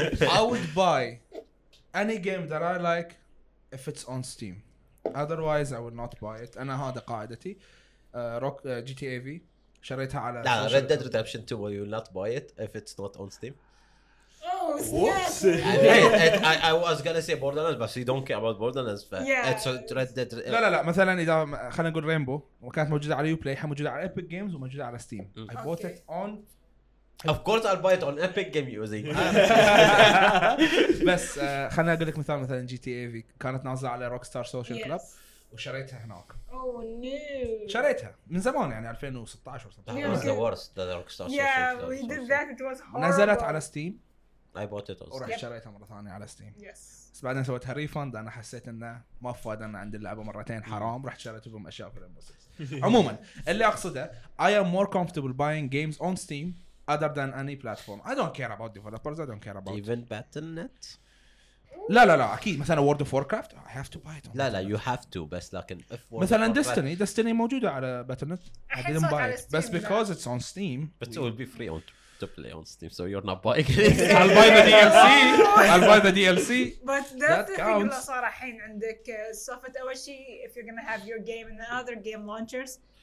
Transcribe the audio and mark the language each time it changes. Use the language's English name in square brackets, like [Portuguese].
[English] I would buy any game that I like. If it's on Steam, otherwise I would not buy it. [Arabic] أنا هذا قاعدتي. Rock GTA V شريتها على. لا [English] Red Dead Redemption 2 you will not buy it if it's not on Steam. Oh yeah. I was gonna say Borderlands, but you don't care about Borderlands. But yeah. It's Red Dead. [Arabic] لا لا لا. مثلاً إذا خلنا نقول Rainbow وكانت موجودة على Uplay هي موجودة على Epic Games وموجودة على Steam. [English] I bought it on. Of course I'll buy it on Epic Game Music. [Arabic] بس خليني اقول لك مثال GTA V كانت نازله على Rockstar Social Club وشريتها هناك. [English] Oh no. [Arabic] شريتها من زمان يعني 2016 [English] و17. That was the worst, the Rockstar Social Club. Yeah, we did that, it was horrible. [Arabic] نزلت على Steam. [English] I bought it also. [Arabic] ورحت شريتها مره ثانيه على Steam. [English] Yes. [Arabic] بس بعدين سويتها ريفند انا حسيت انه ما فاد انا عندي اللعبه مرتين حرام رحت شريت بهم اشياء في الامبوس. عموما اللي اقصده [English] I am more comfortable buying games on Steam. Other than any platform, I don't care about developers. I don't care about even Battle.net. [Arabic] لا لا لا. أكيد. مثلا [English] World of Warcraft. I have to buy it. [Arabic] لا لا. [English] You have to. [Arabic] بس لكن. [English] مثلا Destiny. Destiny [Arabic] موجودة على [English] Battle.net. I didn't buy it. [Arabic] بس [English] because it's on Steam. But it will be free to play on Steam. So you're not buying it. I'll buy the DLC. I'll buy the DLC. But that counts. [Arabic] صار الحين عندك صفت أول شيء. [English] If you're gonna have your game and other game launchers.